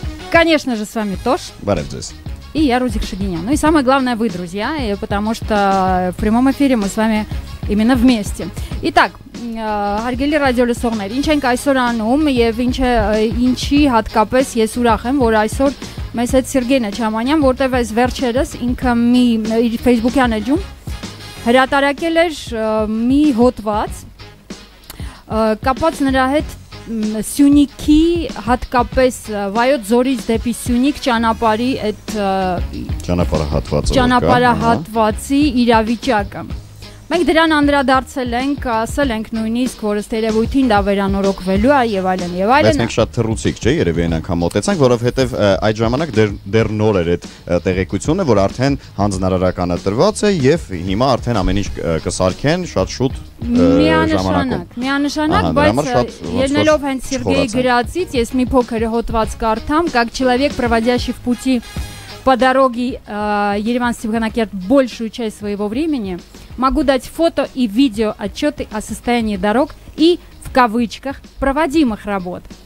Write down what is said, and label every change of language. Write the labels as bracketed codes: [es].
[ru] Конечно же, с вами Тош. И я, Рузик Шагинян. Ну и самое главное, вы, друзья, потому что в прямом эфире мы с вами именно вместе. Итак, [hy] Հարգելի ռադիոլսողներ, ինչ ենք այսօր անում և ինչի հատկապես ես ուրախ եմ, որ այսօր մեզ հետ Սերգեյն Չամանյան, որտեղ այս վերջերս ինքը մի իր Facebook-յան էջում հրատարակել էր մի հոտված կապած նրա հետ Սյունիքի, հատկապես Վայոց ձորից դեպի Սյունիք ճանապարհի այդ ճանապարհահատվածի իրավիճակը։ Մենք դրան անդրադարձել ենք, ասել ենք նույնիսկ, որ ըստ երևույթին դա վերանորոգվելու է եւ այլն եւ այլն։ Բայց մենք շատ թռուցիկ, չէ՞, երևի այն անգամ մտեցանք, որովհետեւ այդ ժամանակ դեռ նոր էր այդ տեղեկությունը, որ արդեն հանձնարարականը տրված է եւ հիմա արդեն ամեն ինչ կսարքեն շատ շուտ ժամանակ։ Միանշանակ, բայց ելնելով հենց Սերգեյի գրածից, ես մի փոքր հոտված կարդամ, [ru] как человек, проводящий в пути по дороге Ереван-Степанакерт большую часть своего времени, могу дать фото и видео отчеты о состоянии дорог и, в кавычках, проводимых работ.